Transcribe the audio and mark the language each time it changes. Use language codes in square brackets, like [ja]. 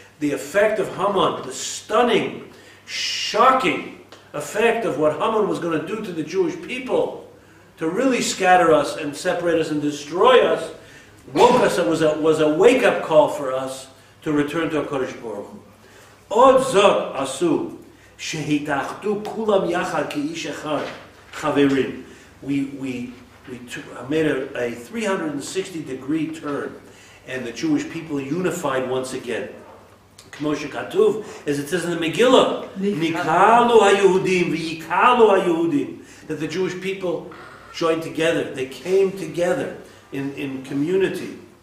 [en] The effect of Haman, the stunning, shocking effect of what Haman was going to do to the Jewish people, to really scatter us and separate us and destroy us, woke us up, was a wake-up call for us to return to HaKadosh Baruch Hu. [he] עוד זאת עשו, שהתאחדו כולם יחד כאיש אחד, חברים. [en] We made a 360 degree turn, and the Jewish people unified once again. [he] כמו שכתוב, [en] as it says in the Megillah, [he] ניקהלו היהודים ויקהלו היהודים, [en] that the Jewish people joined together, they came together in community.